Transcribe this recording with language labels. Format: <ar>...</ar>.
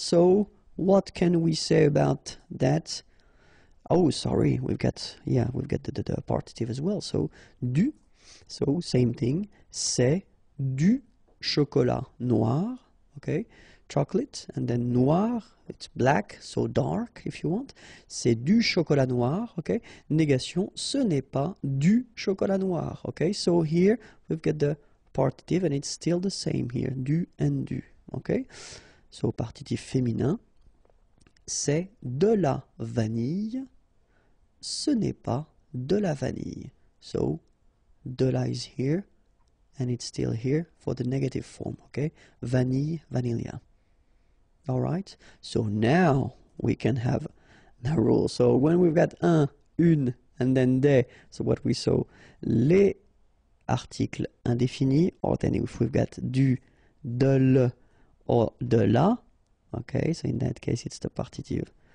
<en>So, what can we say about that? Oh, sorry. We've got the partitive as well. So, du. So, same thing.</en> <fr>C'est du chocolat noir. OK. Chocolate and then noir, it's black, so dark if you want. C'est du chocolat noir, okay? Négation, ce n'est pas du chocolat noir, okay?</fr> <en>So here we've got the partitive and it's still the same here, du and du, okay?</en> <fr>So partitive féminin, c'est de la vanille, ce n'est pas de la vanille.</fr> <en>So de la is here and it's still here for the negative form, okay? Vanille, vanilla. All right, so now we can have the rule. So when we've got un, une, and then des, so what we saw,</en> <fr>les articles indéfinis,</fr> <en>or then if we've got du, de le, or de la, okay, so in that case it's the partitive.</en>